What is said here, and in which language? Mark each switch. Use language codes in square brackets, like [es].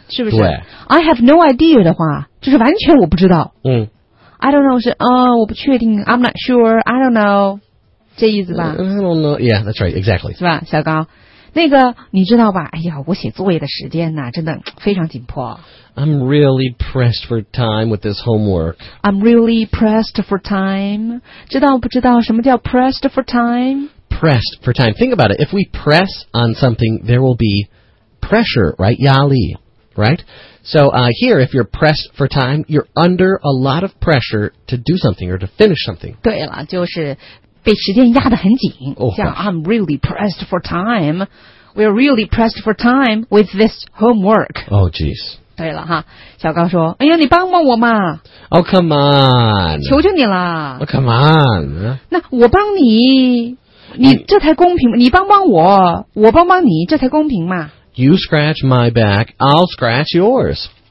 [zh] 是不是？ [en] I have no idea [zh] 的话，就是完全我不知道。嗯。 [en] I don't know [zh] 是我不确定 [en] ，I'm not sure, I don't know， [zh] 这意思吧 [en] ？I don't know. Yeah, that's right, exactly。 [zh] 是吧，小高？那个你知道吧，哎呀我写作业的时间呢真的非常紧迫。 [en] I'm really pressed for time with this homework. I'm really pressed for time. [zh] 知道不知道什么叫 [en] pressed for time? Pressed for time. Think about it. If we press on something, there will be pressure, right? 压力 right? So here, if you're pressed for time, you're under a lot of pressure to do something or to finish something. [zh] 对了就是。被时间压得很紧，像 [en] I'm really pressed for time. We're really pressed for time with this homework. Oh, geez. [zh] 对了哈，小高说，哎呀，你帮帮我嘛。 [en] Oh, come on. [zh] 求求你了。 [en] Oh, come on. [zh] 那我帮你，你这才公平，你帮帮我，我帮帮你，这才公平嘛。 [en] You scratch my back, I'll scratch yours.